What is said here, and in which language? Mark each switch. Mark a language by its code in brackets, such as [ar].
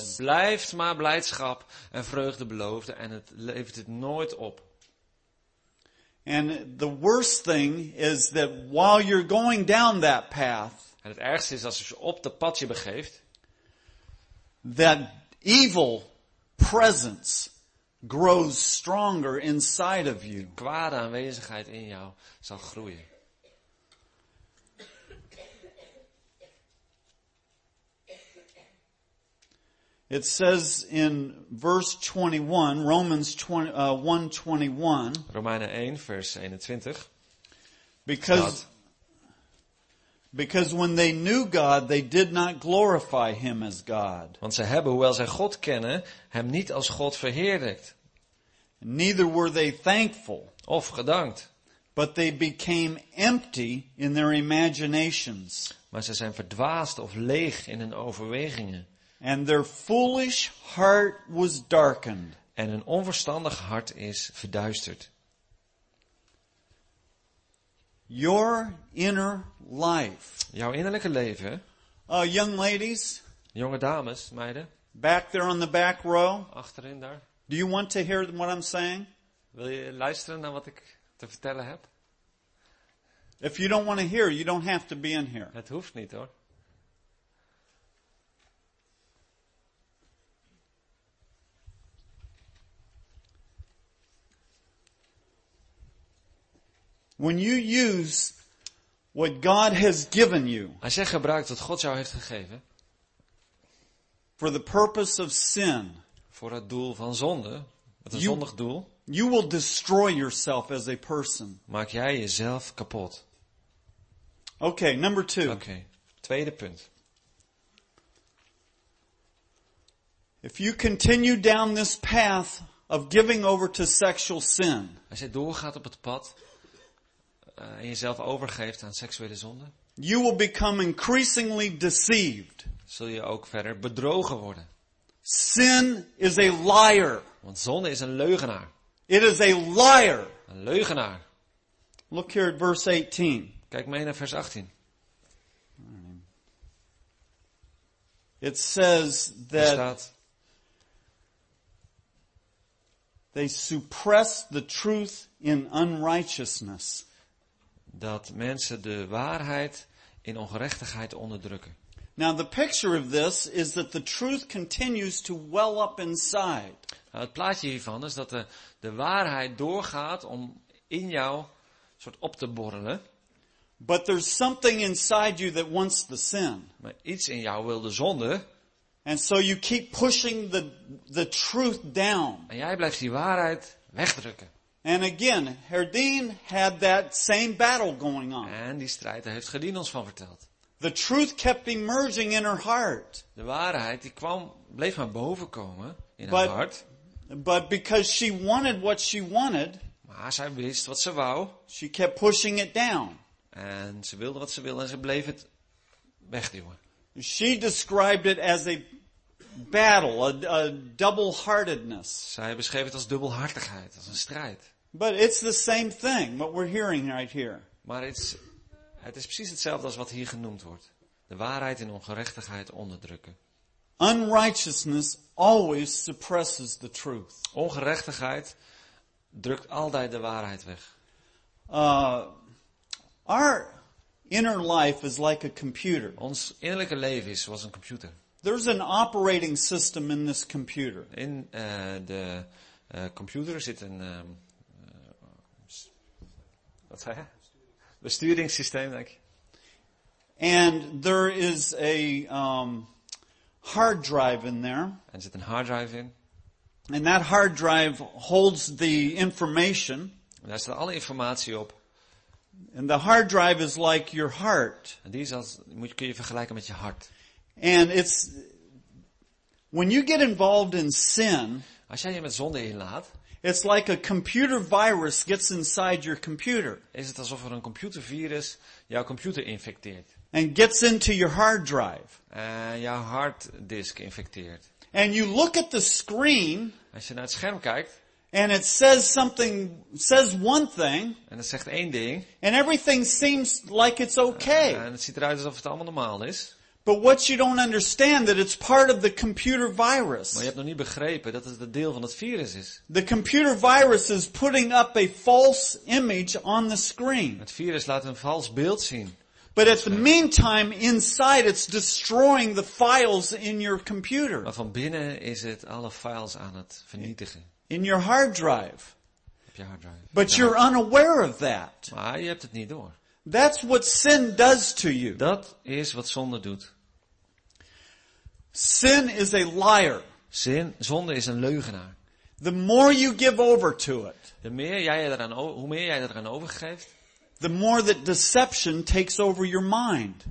[nl] En het blijft maar blijdschap en vreugde beloofde en het levert het nooit op. [en] And the worst thing is that while you're going down that path, [nl] en het ergste is als je op de pad je begeeft, [en] that evil presence grows stronger inside of you. [nl] De kwade aanwezigheid in jou zal groeien. [en] It says in verse 21, Romans 1:21. [nl] Romeinen 1 vers 21. [en] Because when they knew God, they did not glorify him as God. [nl] Want ze hebben, hoewel zij God kennen, hem niet als God verheerlijkt. [en] Neither were they thankful. [nl] Of gedankt. [en] But they became empty in their imaginations. [nl] Maar ze zijn verdwaasd of leeg in hun overwegingen. [en] And their foolish heart was darkened. [nl] En hun onverstandig hart is verduisterd. [en] Your inner life. [nl] Jouw innerlijke leven. [en] Young ladies. [nl] Jonge dames, meiden. [en] Back there on the back row. [nl] Achterin daar. [en] Do you want to hear what I'm saying? [nl] Wil je luisteren naar wat ik te vertellen heb? [en] If you don't want to hear, you don't have to be in here. [nl] Het hoeft niet hoor. [en] When you use what God has given you, [nl] als jij gebruikt wat God jou heeft gegeven, [en] for the purpose of sin, [nl] voor het doel van zonde, het een zondig doel, [en] you will destroy yourself as a person. [nl] Maak jij jezelf kapot. [en] Okay, number two. [nl] Okay, tweede punt. [en] If you continue down this path of giving over to sexual sin, [nl] als jij doorgaat op het pad en jezelf overgeeft aan seksuele zonde, [en] you will become increasingly deceived. [nl] Zul je ook verder bedrogen worden. [en] Sin is a liar. [nl] Want zonde is een leugenaar. [en] It is a liar. [nl] Een leugenaar. [en] Look here at verse 18. [nl] Kijk mee naar vers 18. [en] It says that [nl] staat, [en] they suppress the truth in unrighteousness. [nl] Dat mensen de waarheid in ongerechtigheid onderdrukken. [en] Now the picture of this is that the truth continues to well up inside. [nl] Nou, het plaatje hiervan is dat de waarheid doorgaat om in jou soort op te borrelen. [en] But there's something inside you that wants the sin. [nl] Maar iets in jou wil de zonde. [en] And so you keep pushing the truth down. [nl] En jij blijft die waarheid wegdrukken. [en] And again, Herdien had that same battle going on. [nl] En die strijd heeft Gerdien ons van verteld. [en] The truth kept emerging in her heart. [nl] De waarheid die kwam, bleef maar boven komen in haar hart. [en] But because she wanted what she wanted, [nl] maar zij wist wat ze wou. [en] She kept pushing it down. [nl] En ze wilde wat ze wilde en ze bleef het wegduwen. [en] She described it as a battle, a double-heartedness. [nl] Zij beschreef het als dubbelhartigheid, als een strijd. [en] But it's the same thing what we're hearing right here. [nl] Maar het is precies hetzelfde als wat hier genoemd wordt. De waarheid in ongerechtigheid onderdrukken. [en] Unrighteousness always suppresses the truth. [nl] Ongerechtigheid drukt altijd de waarheid weg. [en] Our inner life is like a computer. [nl] Ons innerlijke leven is zoals een computer. [en] There's an operating system in this computer. [nl] In de computer zit een wat zei je? Besturingssysteem, denk ik. [en] And there is a hard drive in there. [nl] En zit een hard drive in. [en] And that hard drive holds the information. [nl] Daar staat alle informatie op. [en] And the hard drive is like your heart. [nl] En die is als, kun je vergelijken met je hart. [en] And it's when you get involved in sin. [nl] Als jij je met zonde inlaat. [en] It's like a computer virus gets inside your computer. [nl] Is het alsof er een computervirus jouw computer infecteert? [en] And gets into your hard drive. [nl] Jouw harddisk infecteert. [en] And you look at the screen. [nl] Als je naar het scherm kijkt. [en] And it says something, says one thing. [nl] En het zegt één ding. [en] And everything seems like it's okay. [nl] En het ziet eruit alsof het allemaal normaal is. [en] But what you don't understand that it's part of the computer virus. [nl] Maar je hebt nog niet begrepen dat het een deel van het virus is. [en] The computer virus is putting up a false image on the screen. [nl] Het virus laat een vals beeld zien. [en] But at the meantime, inside it's destroying the files in your computer. [nl] Maar van binnen is het alle files aan het vernietigen. [en] In your hard drive. [nl] Op je hard drive. [en] But you're unaware of that. [nl] Maar je hebt het niet door. [en] That's what sin does to you. [nl] Dat is wat zonde doet. [en] Sin is a liar. [nl] Zonde is een leugenaar. [en] The more you give over to it. [nl] Hoe meer jij eraan overgeeft. [en] The more that deception takes over your mind.